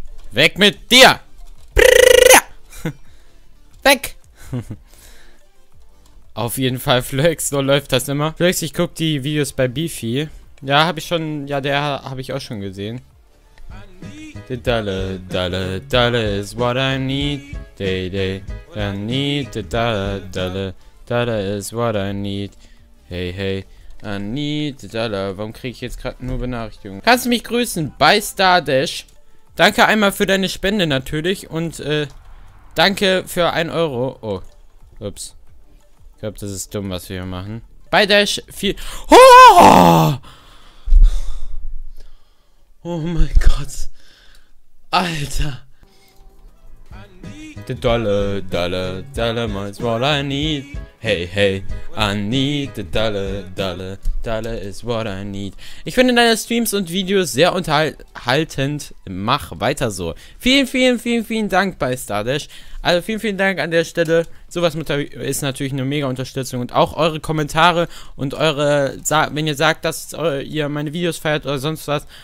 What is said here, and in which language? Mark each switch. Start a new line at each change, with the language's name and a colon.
German: Weg mit dir! Weg! Auf jeden Fall, Flex. So läuft das immer. Flex, ich guck die Videos bei Beefy. Ja, habe ich schon... Ja, der habe ich auch schon gesehen.
English: The dollar, dollar, dollar is what I need. Day, day, I need the dollar, dollar, dollar is what I need. Hey, hey, I need the dollar.
German: Warum kriege ich jetzt gerade nur Benachrichtigungen? Kannst du mich grüßen bei Stardash? Danke einmal für deine Spende natürlich und danke für 1 Euro. Oh, ups. Ich glaube, das ist dumm, was wir hier machen. Bei Dash 4. Oh! Oh mein Gott. Alter.
English: The dollar, dollar, dollar, is what I need. Hey, hey, I need the dollar, dollar, dollar is what I need.
German: Ich finde deine Streams und Videos sehr unterhaltend. Mach weiter so. Vielen, vielen, vielen, vielen Dank bei Stardash. Also vielen, vielen Dank an der Stelle. Sowas ist natürlich eine mega Unterstützung. Und auch eure Kommentare und eure, wenn ihr sagt, dass ihr meine Videos feiert oder sonst was.